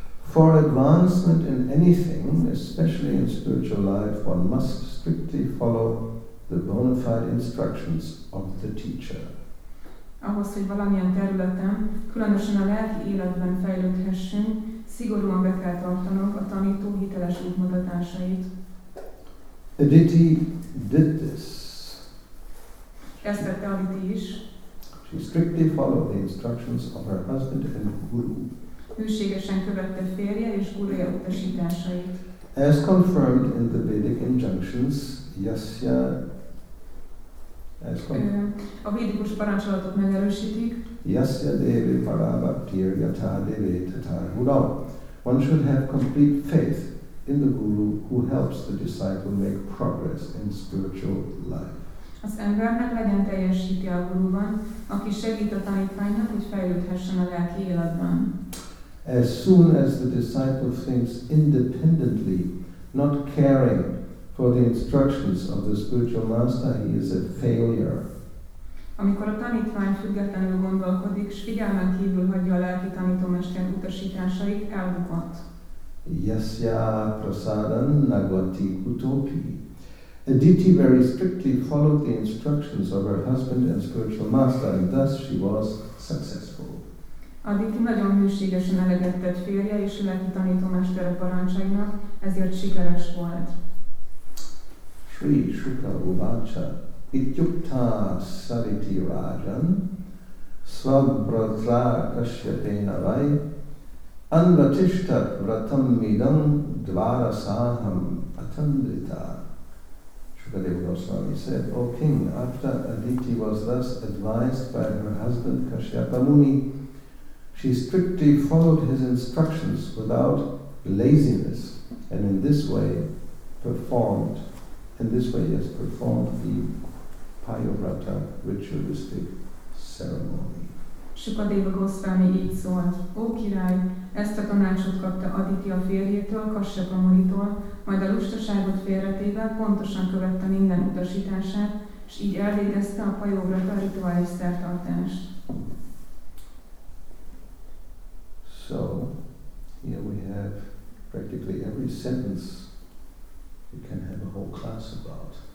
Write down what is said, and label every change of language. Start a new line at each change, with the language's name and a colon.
English: For advancement in anything, especially in spiritual life, one must strictly follow the bona fide instructions of the teacher.
Hungarian: Ahhoz, hogy valamilyen területen, különösen a lelki életben fejlődhessünk, szigorúan be kell tartanunk a tanító hiteles útmutatásait.
English: Aditi did this.
Hungarian: Ezt tette Aditi is.
English: She strictly followed the instructions of her husband and guru.
Hungarian: Hűségesen követte férje és gurúja utasításait.
English: As confirmed in the Vedic injunctions, yasya.
Hungarian: A védikus parancsolatot megerősítik.
Sanskrit: Yasya devi parabhaktir yatha devi tatha guru.
English: One should have complete faith in the guru who helps the disciple make progress in spiritual life.
Hungarian: Az embernek legyen teljes hite a guruban, aki segít a tanítványnak, hogy fejlődhessen a lelki életben.
English: As soon as the disciple thinks independently, not caring for the instructions of the spiritual master, he is a failure.
Hungarian: Amikor a tanítvány függetlenül gondolkodik, s figyelmen kívül hagyja a lelki tanítómester utasításait, elbukott.
Sanskrit: Yasya prasadan nagvati kutopi.
English: Aditi very strictly followed the instructions of her husband and spiritual master, and thus she was successful.
Hungarian: Aditi nagyon hűségesen elegettett férje és lelki tanítómestere parancsainak, ezért sikeres volt.
Sanskrit: Sri Shuka Uvacha Ityukta Saviti Rajan Svabratra Kashyapena Vai Anvatishta Vratam Midam Dvarasaham Atandrita.
English: Shukadeva Goswami said, O King, after Aditi was thus advised by her husband Kashyapa Muni, she strictly followed his instructions without laziness, and in this way has performed the Payavrata ritualistic ceremony.
Hungarian: Sukadeva Goswami így szólt, ó király, ezt a tanácsot kapta Aditi a férjétől, Kassyapa Munitól, majd a lustaságot félretéve pontosan követte minden utasítását, és így elvégezte a Payavrata rituális szertartást.
English: So here we have practically every sentence you can have a whole class about.